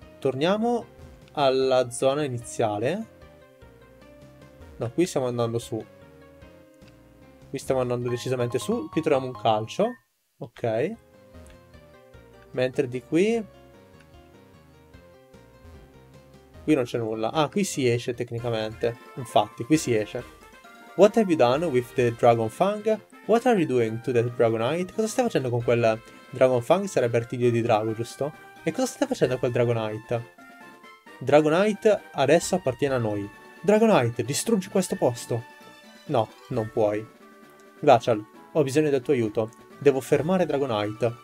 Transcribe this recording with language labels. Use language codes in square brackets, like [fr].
[it] Torniamo alla zona iniziale. No, qui stiamo andando su. Qui stiamo andando decisamente su. Qui troviamo un calcio. Ok. Mentre di qui. Qui non c'è nulla. Ah, qui si esce tecnicamente. Infatti, qui si esce. [en] What have you done with the Dragon Fang? What are you doing to the Dragonite? [it] Cosa stai facendo con quel Dragon Fang? Sarebbe artiglio di drago, giusto? E cosa stai facendo con quel Dragonite? Dragonite adesso appartiene a noi. Dragonite, distruggi questo posto. No, non puoi. Glacial, ho bisogno del tuo aiuto. Devo fermare Dragonite.